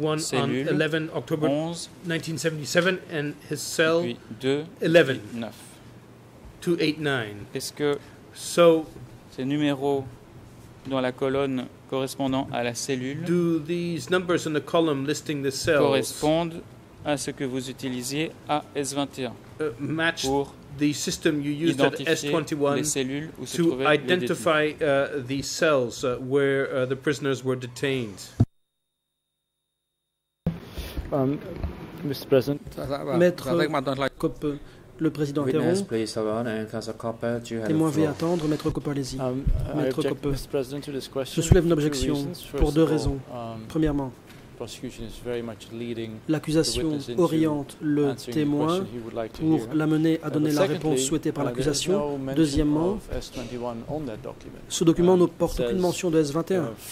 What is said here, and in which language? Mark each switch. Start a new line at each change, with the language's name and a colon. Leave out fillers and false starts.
English: S21 on 11 October 1977, and his cell 289.
French: Est-ce que ces numéros dans la colonne correspondant à la cellule
English: do these numbers in the column listing the cells
French: correspondent à ce que vous utilisiez à S21
English: match pour the system you used at S21
French: les cellules où
English: to identify the cells where the prisoners were detained. Mr. President,
French: Maître Coppe, le président interrompt.
English: Witness, please, Your Honor, Counselor Coppe, do you have
French: témoin, veuillez attendre, Maître Coppe, allez-y. Maître Coppe, je soulève une objection pour deux raisons. Premièrement, l'accusation oriente le témoin pour l'amener à donner la réponse souhaitée par l'accusation. Deuxièmement, ce document ne porte aucune mention de S21.